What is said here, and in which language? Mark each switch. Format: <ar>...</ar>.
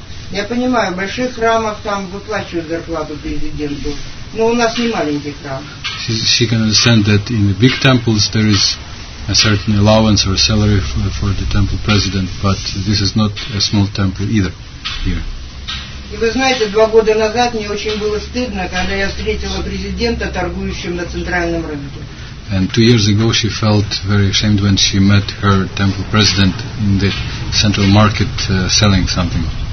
<ru>Я понимаю, в больших храмах там выплачивают зарплату президенту, но у нас не маленький храм.</ru> <en>She can understand that in the big temples there is a certain allowance or salary for the temple president, but this is not a small temple either here.</en> <ru>И вы знаете, два года назад мне очень было стыдно, когда я встретила президента, торгующим на центральном рынке.</ru> <en>And 2 years ago she felt very ashamed when she met her temple president in the central market selling something.</en>